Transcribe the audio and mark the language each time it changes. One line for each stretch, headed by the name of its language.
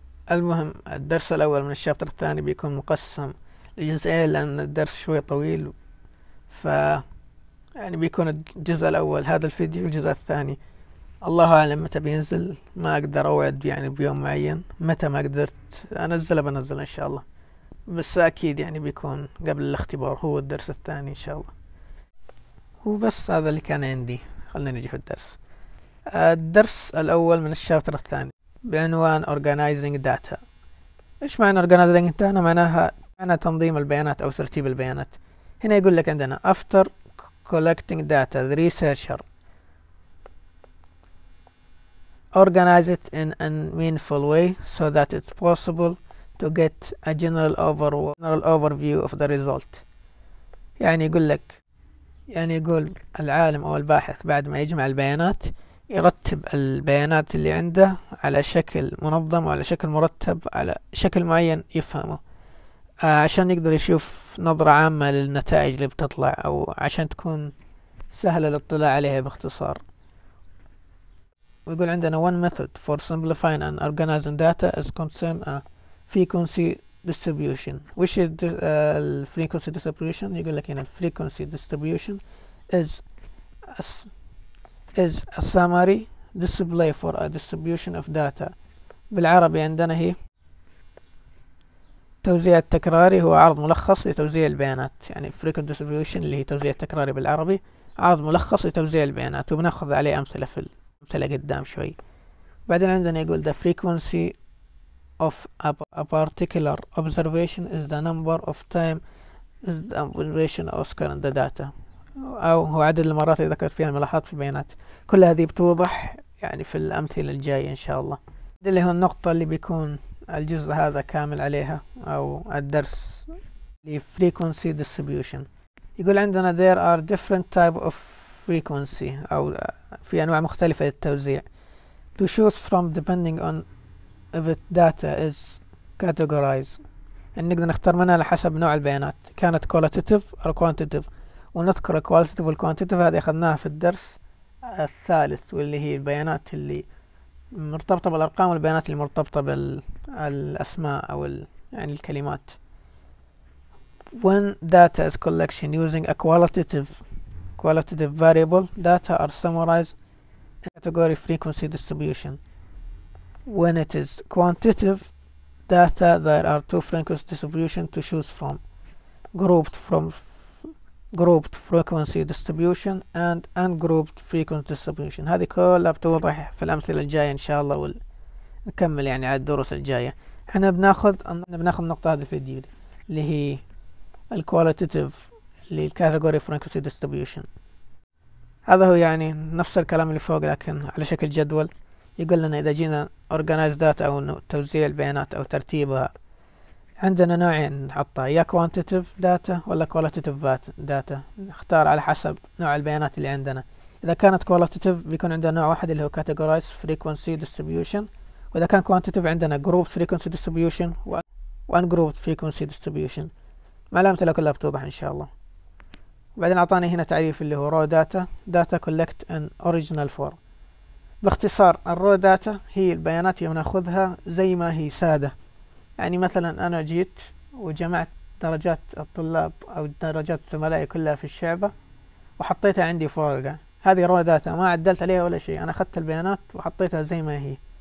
Arabic: المهم الدرس الاول من الشابتر الثاني بيكون مقسم لجزئين، لان الدرس شوي طويل، ف يعني بيكون الجزء الاول هذا الفيديو والجزء الثاني الله اعلم متى بينزل، ما اقدر اوعد يعني بيوم معين، متى ما قدرت انزله بنزله ان شاء الله، بس اكيد يعني بيكون قبل الاختبار هو الدرس الثاني ان شاء الله. وبس هذا اللي كان عندي، خلينا نجي في الدرس. الدرس الأول من الشابتر الثاني بعنوان Organizing Data. إيش معنى Organizing Data؟ معناها تنظيم البيانات أو ترتيب البيانات. هنا يقول لك عندنا
English: After Collecting Data the researcher organize it in a meaningful way so that it's possible to get a general overview of the result.
Arabic: يعني يقول العالم أو الباحث بعد ما يجمع البيانات يرتب البيانات اللي عنده على شكل منظم وعلى شكل مرتب على شكل معين يفهمه، عشان يقدر يشوف نظرة عامة للنتائج اللي بتطلع، أو عشان تكون سهلة الاطلاع عليها باختصار. ويقول عندنا
English: one method for simplifying and organizing data is concern a frequency distribution. Which is the frequency distribution?
Arabic: يقول لك هنا
English: frequency distribution is a summary display for a distribution of data.
Arabic: بالعربي عندنا هي توزيع التكراري، هو عرض ملخص لتوزيع البيانات. يعني frequency distribution اللي هي توزيع التكراري بالعربي، عرض ملخص لتوزيع البيانات، وبناخذ عليه أمثلة في الأمثلة قدام شوي. بعدين عندنا يقول
English: the frequency of a particular observation is the number of time is the observation occurs in the data،
Arabic: أو هو عدد المرات اللي ذكرت فيها الملاحظات في البيانات. كل هذه بتوضح يعني في الأمثلة الجاية إن شاء الله. دي اللي هو النقطة اللي بيكون الجزء هذا كامل عليها، أو الدرس اللي frequency distribution. يقول عندنا
English: there are different type of frequency،
Arabic: أو في أنواع مختلفة للتوزيع.
English: to choose from depending on if data is categorized،
Arabic: يعني نقدر نختار منها على حسب نوع البيانات، كانت
English: qualitative or quantitative.
Arabic: ونذكر qualitative والquantitative هذه أخذناها في الدرس الثالث، واللي هي البيانات اللي مرتبطة بالأرقام والبيانات اللي مرتبطة بالأسماء أو يعني الكلمات.
English: when data is collection using a qualitative variable data are summarized in category frequency distribution. when it is quantitative data there are two frequency distribution to choose from grouped frequency distribution and ungrouped frequency distribution.
Arabic: هذه كلها بتوضح في الأمثلة الجاية إن شاء الله، ونكمل يعني على الدروس الجاية. احنا بناخذ نقطة هذه الفيديو اللي هي الكواليتاتيف للكاتيجوري frequency distribution. هذا هو يعني نفس الكلام اللي فوق لكن على شكل جدول. يقول لنا إذا جينا organize data أو توزيع البيانات أو ترتيبها، عندنا نوعين نحطها، يا quantitative data ولا qualitative data. نختار على حسب نوع البيانات اللي عندنا. إذا كانت qualitative بيكون عندنا نوع واحد اللي هو categorize frequency distribution، وإذا كان quantitative عندنا grouped frequency distribution و ungrouped frequency distribution. مع الأمثلة كلها بتوضح إن شاء الله. وبعدين أعطاني هنا تعريف اللي هو raw data،
English: data collect in original form.
Arabic: باختصار الرو داتا هي البيانات اللي بناخذها زي ما هي سادة. يعني مثلا انا جيت وجمعت درجات الطلاب او درجات زملائي كلها في الشعبة وحطيتها عندي فورقة، هذه رو داتا ما عدلت عليها ولا شيء، انا اخذت البيانات وحطيتها زي ما هي.